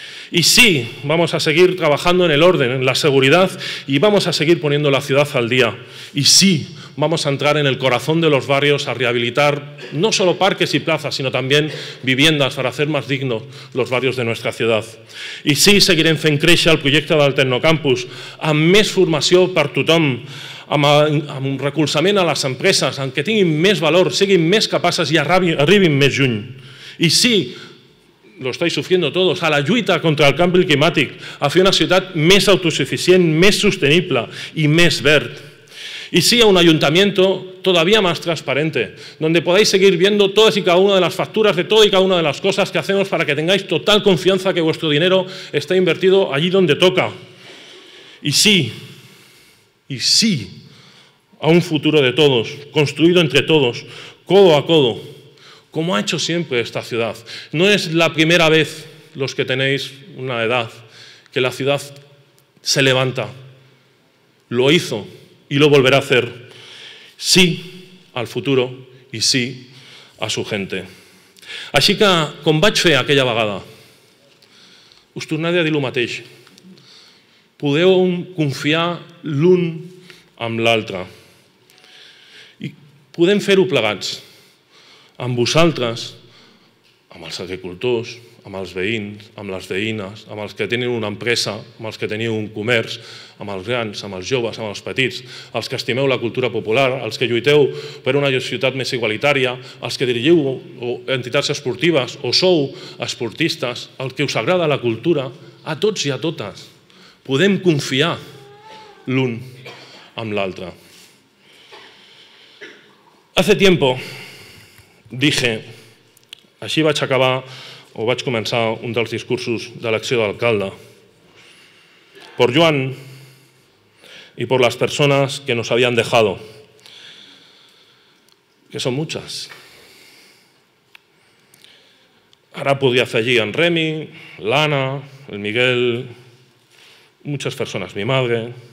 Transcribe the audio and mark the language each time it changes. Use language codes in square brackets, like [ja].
[es] Y sí, vamos a seguir trabajando en el orden, en la seguridad, y vamos a seguir poniendo la ciudad al día. Y sí, vamos a entrar en el corazón de los barrios a rehabilitar no solo parques y plazas, sino también viviendas para hacer más dignos los barrios de nuestra ciudad. [ca] Y sí, seguirem fent créixer el projecte del Tecnocampus, amb més formació per tothom, amb un recolzament a les empreses, amb que tinguin més valor, siguin més capaces i arribin més lluny. I sí, [es] lo estáis sufriendo todos, [ca] a la lluita contra el canvi climàtic, a fer una ciutat més autosuficient, més sostenible i més verd. [es] I sí, a un ayuntamiento todavía más transparente, donde podáis seguir viendo todas y cada una de las facturas de todo y cada una de las cosas que hacemos para que tengáis total confianza que vuestro dinero está invertido allí donde toca. Y sí, a un futuro de todos, construido entre todos, codo a codo, como ha hecho siempre esta ciudad. No es la primera vez, los que tenéis una edad, que la ciudad se levanta. Lo hizo y lo volverá a hacer. Sí al futuro y sí a su gente. [ca] Així que, com vaig fer aquella vegada, us tornaré a dir el mateix. Podeu confiar l'un amb l'altre. I podem fer-ho plegats. Amb vosaltres, amb els agricultors, amb els veïns, amb les veïnes, amb els que tenen una empresa, amb els que teniu un comerç, amb els grans, amb els joves, amb els petits, els que estimeu la cultura popular, els que lluiteu per una ciutat més igualitària, els que dirigiu entitats esportives o sou esportistes, el que us agrada la cultura, a tots i a totes. Podem confiar l'un amb l'altre. [es] Hace tiempo dije, [ca] així vaig acabar o vaig començar un dels discursos de l'acció d'alcalde. [es] Por Joan y por las personas que nos habían dejado, que son muchas. [ca] Ara podria afegir en Remi, l'Anna, el Miguel, [es] muchas personas, mi madre.